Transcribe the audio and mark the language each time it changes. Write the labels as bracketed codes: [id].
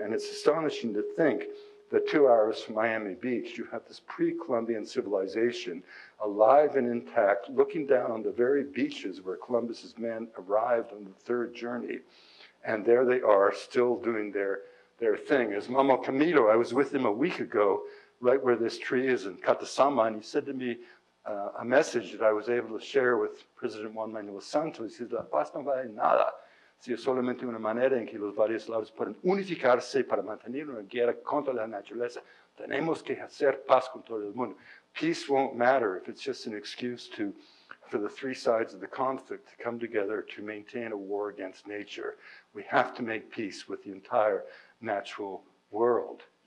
[en] And it's astonishing to think that 2 hours from Miami Beach, you have this pre-Columbian civilization alive and intact, looking down on the very beaches where Columbus's men arrived on the third journey. And there they are, still doing their thing. As Mamo Camilo, I was with him a week ago, right where this tree is in Catasama, and he said to me a message that I was able to share with President Juan Manuel Santos. He said, [es] La paz no vale nada. Si es solamente una manera en que los varios lados pueden unificarse para mantener una guerra contra la naturaleza. Tenemos que hacer paz con todo el mundo. [en] Peace won't matter if it's just an excuse for the three sides of the conflict to come together to maintain a war against nature. We have to make peace with the entire natural world.